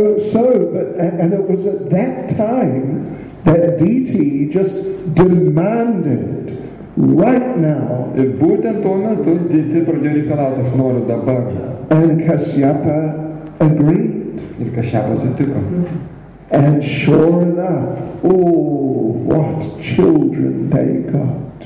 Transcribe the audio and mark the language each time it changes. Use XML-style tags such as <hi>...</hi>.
<en>So, but it was at that time that DT just demanded, right now.</en> <lt>Ir būtent tuo metu DT pradėjo reikalauti, aš noriu dabar.</lt> <en>And Kashyapa agreed.</en> <lt>Ir Kashyapa sutiko.</lt> <en>And sure enough, oh, what children they got.</en>